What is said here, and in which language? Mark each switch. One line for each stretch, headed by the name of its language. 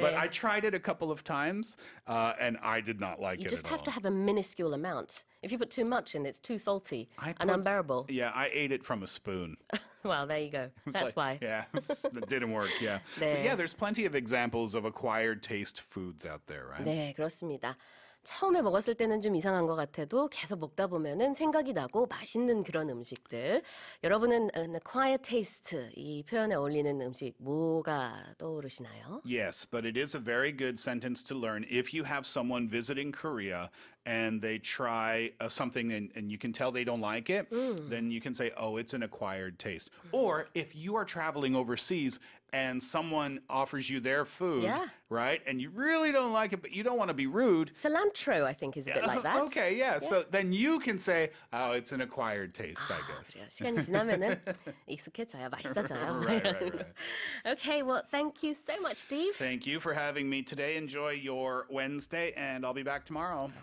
English: But I tried it a couple of times, and I did not like it at all. You just have to have a minuscule amount. If you put too much in, it's too salty and unbearable. Yeah, I ate it from a spoon. Well, there you go. That's why. Yeah, it didn't work, yeah.
Korean: 네.
English: But yeah, there's plenty of examples of acquired taste foods out there, right?
Korean: 네, 그렇습니다. 처음에 먹었을 때는 좀 이상한 것 같아도 계속 먹다 보면은 생각이 나고 맛있는 그런 음식들. 여러분은
English: an acquired taste
Korean: 이 표현에 어울리는 음식 뭐가 떠오르시나요?
English: Yes, but it is a very good sentence to learn if you have someone visiting Korea and they try something and you can tell they don't like it, then you can say, oh, it's an acquired taste. Or if you are traveling overseas and someone offers you their food, right? And you really don't like it, but you don't want to be rude. Cilantro, I think, is a bit like that. Okay, yeah. So then you can say, oh, it's an acquired taste, I guess.
Korean: 시간이 지나면은 익숙해져요, 맛있어져요.
English: Right. Okay, well, thank you so much, Steve. Thank you for having me today. Enjoy your Wednesday, and I'll be back tomorrow.